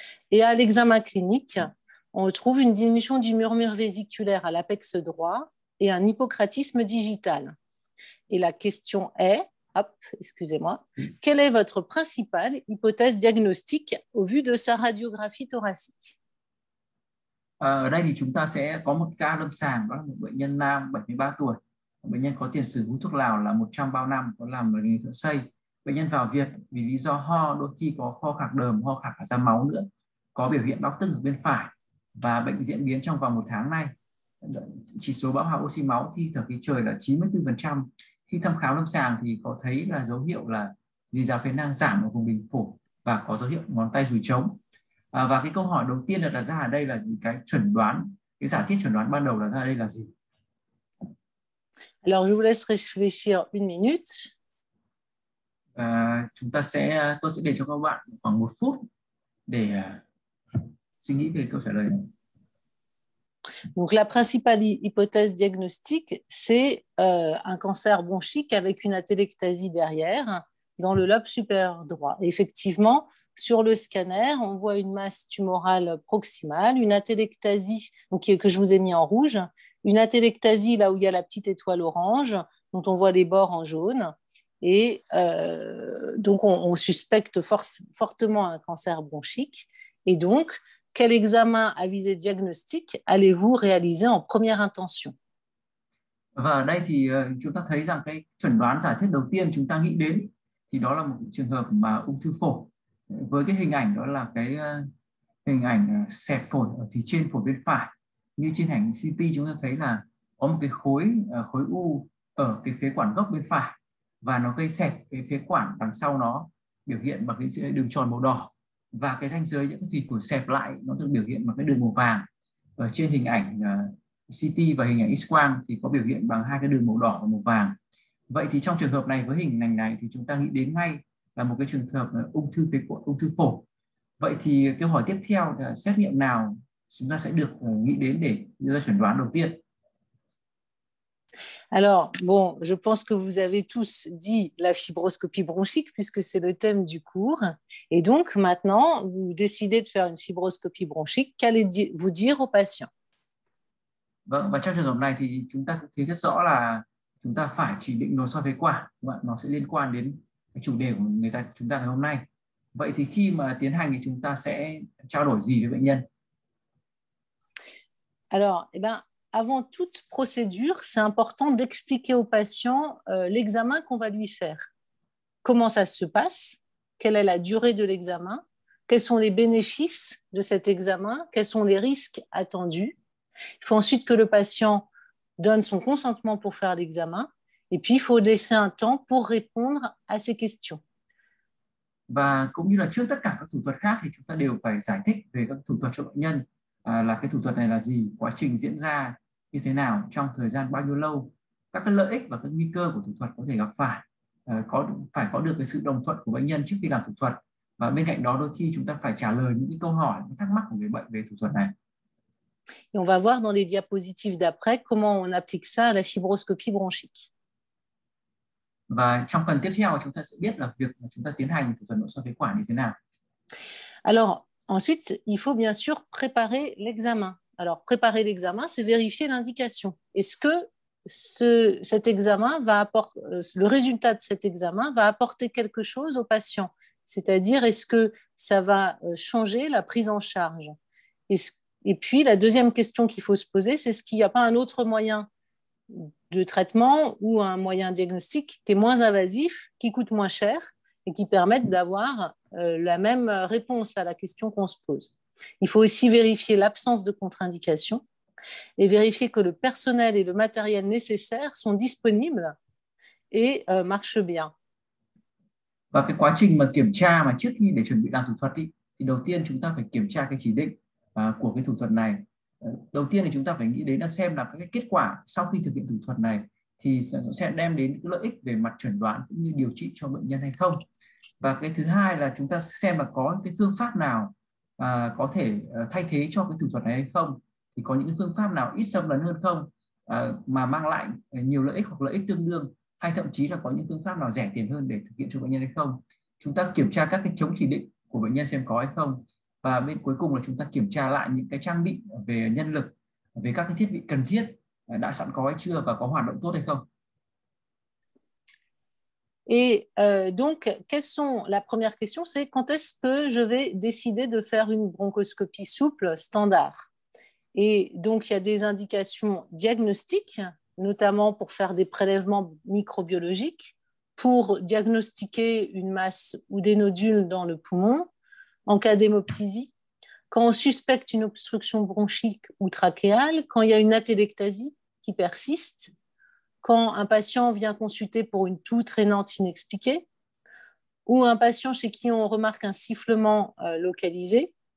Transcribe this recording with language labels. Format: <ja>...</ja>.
<fr>Et à l'examen clinique, on retrouve une diminution du murmure vésiculaire à l'apex droit et un hypocratisme digital. Et la question est, quelle est votre principale hypothèse diagnostique au vu de sa radiographie thoracique?</fr> <vi>Ở đây thì chúng ta sẽ có một ca lâm sàng, đó là một bệnh nhân nam 73 tuổi. Bệnh nhân có tiền sử hút thuốc lào là 130 năm, có làm ở ngành thợ xây. Bệnh nhân vào viện vì lý do ho, đôi khi có ho khạc đờm, ho khạc ra máu nữa, có biểu hiện đau tức ở bên phải và bệnh diễn biến trong vòng một tháng nay. Chỉ số bão hòa oxy máu khi thở khí trời là 94%. Khi thăm khám lâm sàng thì có thấy là dấu hiệu là dì giáo phế nang giảm ở vùng bình phổi và có dấu hiệu ngón tay dùi trống. Và cái câu hỏi đầu tiên được đặt ra ở đây là cái chuẩn đoán, cái giả thiết chuẩn đoán ban đầu là ra đây là gì?</vi> <fr>Alors, je vous laisse réfléchir une minute.</fr> <vi>Tôi sẽ để cho các bạn khoảng một phút để suy nghĩ về câu trả lời này.</vi> <fr>Donc, la principale hypothèse diagnostique, c'est un cancer bronchique avec une atélectasie derrière, dans le lobe supérieur droit. Et effectivement, sur le scanner, on voit une masse tumorale proximale, une atélectasie que je vous ai mis en rouge, une atélectasie là où il y a la petite étoile orange, dont on voit les bords en jaune. Et donc, on suspecte fortement un cancer bronchique. Et donc, quel examen à visée diagnostique allez-vous réaliser en première intention?</fr> <vi>Và ở đây thì chúng ta thấy rằng cái chuẩn đoán giả thiết đầu tiên chúng ta nghĩ đến thì đó là một trường hợp mà ung thư phổi. Với cái hình ảnh đó là cái hình ảnh xẹp phổi ở phía trên phổi bên phải. Như trên ảnh CT chúng ta thấy là có một cái khối u ở cái phế quản gốc bên phải và nó gây xẹp cái phế quản đằng sau nó, biểu hiện bằng cái đường tròn màu đỏ. Và cái ranh giới những cái thủy của xẹp lại nó được biểu hiện bằng cái đường màu vàng. Ở trên hình ảnh CT và hình ảnh X-quang thì có biểu hiện bằng hai cái đường màu đỏ và màu vàng. Vậy thì trong trường hợp này với hình ảnh này thì chúng ta nghĩ đến ngay là một cái trường hợp ung thư phế quản, ung thư phổi. Vậy thì câu hỏi tiếp theo là xét nghiệm nào chúng ta sẽ được nghĩ đến để đưa ra chẩn đoán đầu tiên?</vi> <fr>Alors, bon, je pense que vous avez tous dit la fibroscopie bronchique puisque c'est le thème du cours. Et donc, maintenant, vous décidez de faire une fibroscopie bronchique. Qu'allez-vous dire aux patients?</fr> <vi>Vâng, và trong trường hợp này thì chúng ta thấy rất rõ là chúng ta phải chỉ định nội soi phế quản. Nó sẽ liên quan đến cái chủ đề của chúng ta ngày hôm nay. Vậy thì khi mà tiến hành thì chúng ta sẽ trao đổi gì với bệnh nhân?</vi> <fr>Alors, eh bien, avant toute procédure, c'est important d'expliquer au patient l'examen qu'on va lui faire. Comment ça se passe? Quelle est la durée de l'examen? Quels sont les bénéfices de cet examen? Quels sont les risques attendus? Il faut ensuite que le patient donne son consentement pour faire l'examen. Et puis, il faut laisser un temps pour répondre à ces questions.</fr> <vi>Và cũng như là trước tất cả các thủ thuật khác thì chúng ta đều phải giải thích về các thủ thuật cho bệnh nhân. Là cái thủ thuật này là gì, quá trình diễn ra như thế nào, trong thời gian bao nhiêu lâu, các cái lợi ích và các nguy cơ của thủ thuật có thể gặp phải, phải có được cái sự đồng thuận của bệnh nhân trước khi làm thủ thuật. Và bên cạnh đó, đôi khi chúng ta phải trả lời những cái câu hỏi, những thắc mắc của người bệnh về thủ thuật này.</vi> <fr>Et on va voir dans les diapositives d'après comment on applique ça à la fibroscopie bronchique.</fr> <vi>Và trong phần tiếp theo chúng ta sẽ biết là việc mà chúng ta tiến hành thủ thuật nội soi phế quản như thế nào.</vi> <fr>Alors, ensuite, il faut bien sûr préparer l'examen. Alors, préparer l'examen, c'est vérifier l'indication. Est-ce que cet examen va apporter, le résultat de cet examen va apporter quelque chose au patient? C'est-à-dire, est-ce que ça va changer la prise en charge? Et puis, la deuxième question qu'il faut se poser, c'est est-ce qu'il n'y a pas un autre moyen de traitement ou un moyen diagnostique qui est moins invasif, qui coûte moins cher et qui permette d'avoir la même réponse à la question qu'on se pose. Il faut aussi vérifier l'absence de contre-indication et vérifier que le personnel et le matériel nécessaires sont disponibles et marchent bien.</fr> <vi>Và cái quá trình mà kiểm tra mà trước khi để chuẩn bị làm thủ thuật thì đầu tiên chúng ta phải kiểm tra cái chỉ định của cái thủ thuật này. Đầu tiên thì chúng ta phải nghĩ đến là xem là cái kết quả sau khi thực hiện thủ thuật này thì sẽ đem đến cái lợi ích về mặt chẩn đoán cũng như điều trị cho bệnh nhân hay không. Và cái thứ hai là chúng ta xem là có cái phương pháp nào có thể thay thế cho cái thủ thuật này hay không, thì có những phương pháp nào ít xâm lấn hơn không mà mang lại nhiều lợi ích hoặc lợi ích tương đương, hay thậm chí là có những phương pháp nào rẻ tiền hơn để thực hiện cho bệnh nhân hay không. Chúng ta kiểm tra các cái chống chỉ định của bệnh nhân xem có hay không, và bên cuối cùng là chúng ta kiểm tra lại những cái trang bị về nhân lực, về các cái thiết bị cần thiết đã sẵn có hay chưa và có hoạt động tốt hay không.</vi> <fr>Et donc, la première question, c'est quand est-ce que je vais décider de faire une bronchoscopie souple standard? Et donc, il y a des indications diagnostiques, notamment pour faire des prélèvements microbiologiques, pour diagnostiquer une masse ou des nodules dans le poumon en cas d'hémoptysie, quand on suspecte une obstruction bronchique ou trachéale, quand il y a une atélectasie qui persiste, quand un patient vient consulter pour une toux traînante inexpliquée, ou un patient chez qui on remarque un sifflement localisé,</fr>